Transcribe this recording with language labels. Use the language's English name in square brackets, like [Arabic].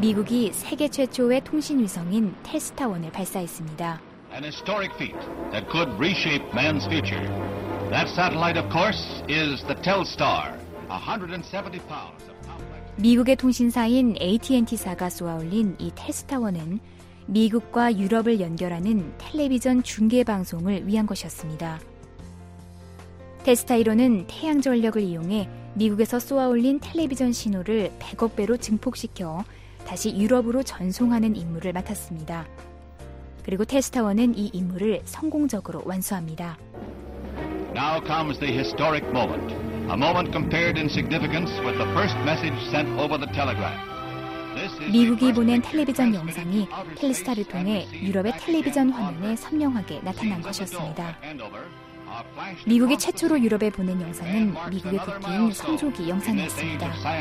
[Korean] 미국이 세계 최초의 통신 위성인 테스타1을 발사했습니다. [English] An historic feat that could reshape man's future. That satellite, of course, is the Telstar. 170 pounds of complex. [Korean] 미국의 통신사인 AT&T사가 쏘아올린 이 테스타1은 미국과 유럽을 연결하는 텔레비전 중계 방송을 위한 것이었습니다. 테스타1은 태양 전력을 이용해 미국에서 쏘아올린 텔레비전 신호를 100억 배로 증폭시켜 다시 유럽으로 전송하는 임무를 맡았습니다. 그리고 테스타1은 이 임무를 성공적으로 완수합니다. [English] Now comes the historic moment. A moment compared in significance with the first message sent over the telegraph. [Korean] 미국이 보낸 텔레비전 영상이 텔스타를 통해 유럽의 텔레비전 화면에 선명하게 나타난 것이었습니다. 미국이 최초로 유럽에 보낸 영상은 미국의 국기인 성조기 영상이었습니다.